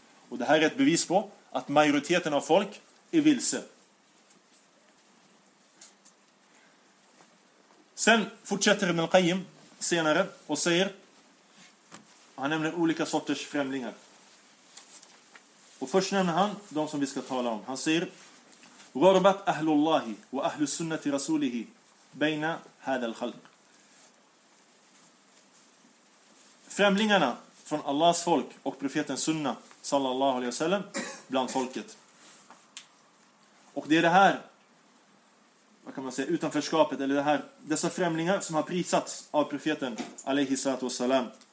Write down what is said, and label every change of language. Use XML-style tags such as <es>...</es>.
<sv>Och det här är ett bevis på att majoriteten av folk är vilse. Sen fortsätter Ibn Qayyim senare och säger, han nämner olika sorters främlingar. Och först nämner han de som vi ska tala om. Han säger,</sv> <ar>غربت أهل الله وأهل السنة رسوله بين هذا الخلق.</ar> <sv>Främlingarna från Allahs folk och profeten sunna sallallahu alaihi wasallam bland folket. Och det är det här, vad kan man säga, utanförskapet, eller det här, dessa främlingar som har prisats av profeten alaihi salatu wasallam.</sv>